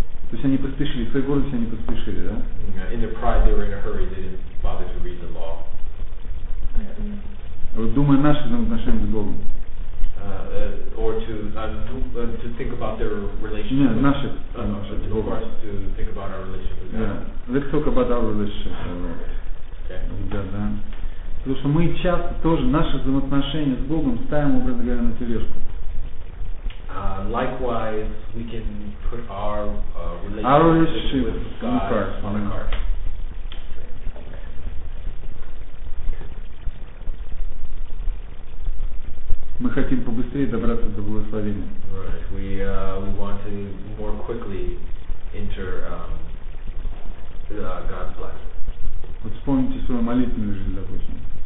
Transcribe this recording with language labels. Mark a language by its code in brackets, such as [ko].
[ru] То есть они поспешили, в своей гордости они поспешили, да? [en] In their pride they were in a hurry, they didn't bother to read the law. [ru] Вот думая о наших отношениях с Богом. [en] To think about their relationship. [ru] Нет, наших. [en] To think about our relationship with them. Yeah. Let's talk about our relationship. Okay. Yeah, да. [ru] Потому что мы часто тоже наши взаимоотношения с Богом ставим, образно говоря, на тележку. [en] Likewise, we can put our relationship with God on a cart. [ru] Мы хотим побыстрее добраться до благословения. [en] Right. We want to more quickly enter God's blessing. [ru] Вот вспомните свою молитвенную жизнь, допустим.